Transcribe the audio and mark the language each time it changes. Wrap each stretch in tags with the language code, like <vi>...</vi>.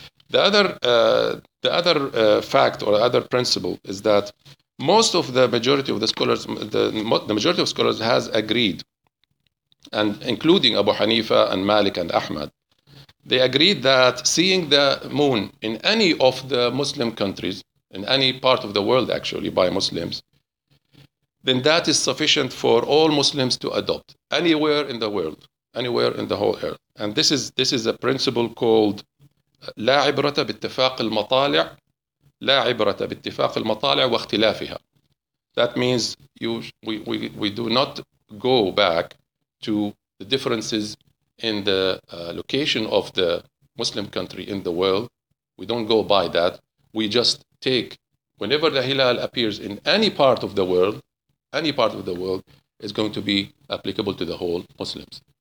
<en>The other principle is that the majority of scholars has agreed, and including Abu Hanifa and Malik and Ahmad, they agreed that seeing the moon in any of the Muslim countries, in any part of the world actually by Muslims, then that is sufficient for all Muslims to adopt anywhere in the world, anywhere in the whole earth. And this is a principle called</en> <ar>لا عبرة باتفاق المطالع لا عبرة باتفاق المطالع واختلافها.</ar> <en>That means we do not go back to the differences in the location of the Muslim country in the world. We don't go by that. We just take, whenever the Hilal appears in any part of the world, is going to be applicable to the whole Muslims.</en>